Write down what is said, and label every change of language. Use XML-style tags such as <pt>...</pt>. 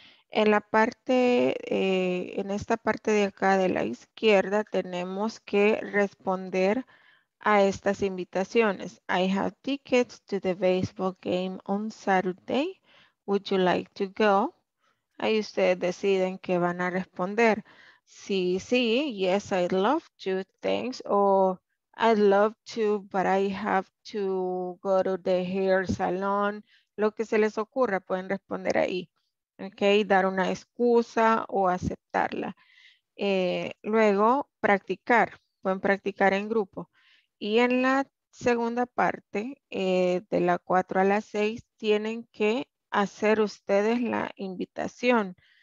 <es>En la parte, en esta parte de acá de la izquierda, tenemos que responder a estas invitaciones.</es> <en>I have tickets to the baseball game on Saturday. Would you like to go?</en> <es>Ahí ustedes deciden qué van a responder. Sí, sí,</es> <en>yes, I'd love to, thanks. O I'd love to, but I have to go to the hair salon.</en> <es>Lo que se les ocurra, pueden responder ahí. Ok, dar una excusa o aceptarla. Luego, practicar. Pueden practicar en grupo. Y en la segunda parte, de la 4 a la 6, tienen que hacer ustedes la invitación.</es>